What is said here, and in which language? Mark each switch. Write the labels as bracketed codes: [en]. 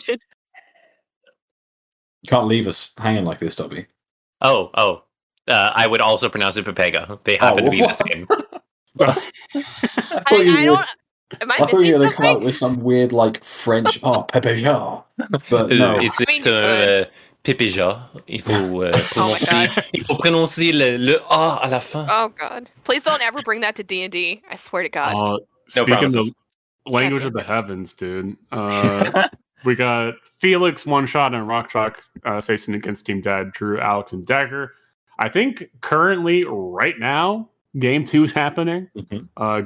[en] You can't leave us hanging like this, Dobby. Oh. I would also pronounce it Pepega. They happen to be the same. I thought you were going to come up with some weird, like, French, Pepega. But no. Is it Pepega? [fr] Il faut prononcer le A à la fin. [en] Oh, God. Please don't ever bring that to D&D. I swear to God. Speaking of language of the heavens, dude. We got Felix one shot and Rock Chalk facing against Team Dad, Drew, Alex, and Dagger. I think currently, right now, game 2 is happening. Mm-hmm.